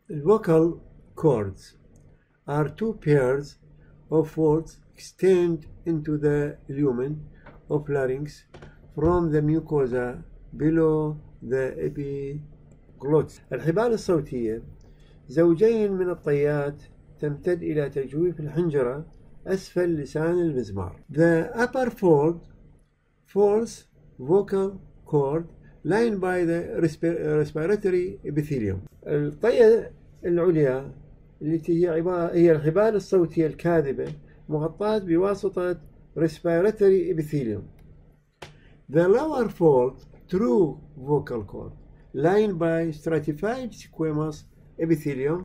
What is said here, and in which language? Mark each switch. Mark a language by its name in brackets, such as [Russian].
[English] Vocal cords are two pairs of folds extend into the lumen of larynx from the mucosa below the epiglottis. [Arabic] الحبال الصوتية زوجين من الطيات تمتد إلى تجويف الحنجرة أسفل لسان المزمار. [English] The upper fold folds vocal cord lined by the respiratory epithelium. [Arabic] الطية العليا التي هي هي الحبال الصوتية الكاذبة مغطاة بواسطة respiratory epithelium. [English] The lower fold true vocal cord lined by stratified squamous epithelium.